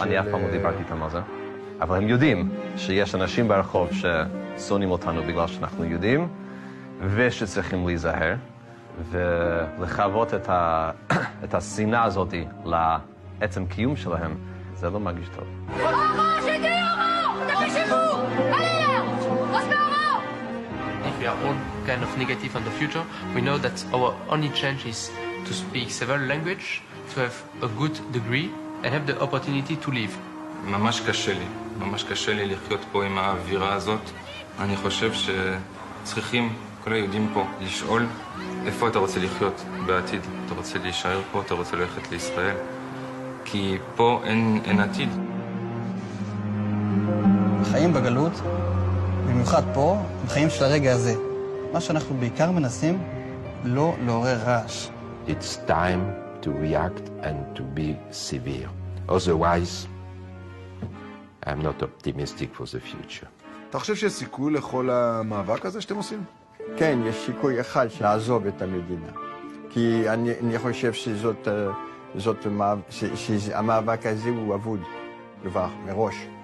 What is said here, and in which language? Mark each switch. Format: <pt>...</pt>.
<he>אני אף פעם לא דיברתי איתם על זה, אבל הם יודעים שיש אנשים ברחוב שונאים אותנו בגלל שאנחנו יהודים, ושצריכים להיזהר, ולחוות את, את השנאה הזאת לעצם קיום שלהם, זה לא מרגיש טוב.</he> <en>If we are all kind of negative on the future, we know that our only chance is to speak several languages, to have a good degree, and have the opportunity to live.</en> <he>ממש קשה לי. ממש קשה לי לחיות פה עם האווירה הזאת. אני חושב שצריכים, כל היהודים פה, לשאול איפה אתה רוצה לחיות בעתיד. אתה רוצה להישאר פה, אתה רוצה ללכת לישראל. כי פה אין עתיד. חיים בגלות, במיוחד פה, הם חיים של הרגע הזה. מה שאנחנו בעיקר מנסים, לא לעורר רעש.</he> <en>It's time to react and to be severe. Otherwise, I'm not optimistic for the future.</en> <he>אתה חושב שיש סיכוי לכל המאבק הזה שאתם עושים? כן, יש סיכוי אחד לעזוב את המדינה. כי אני חושב שהמאבק הזה הוא אבוד כבר מראש.</he>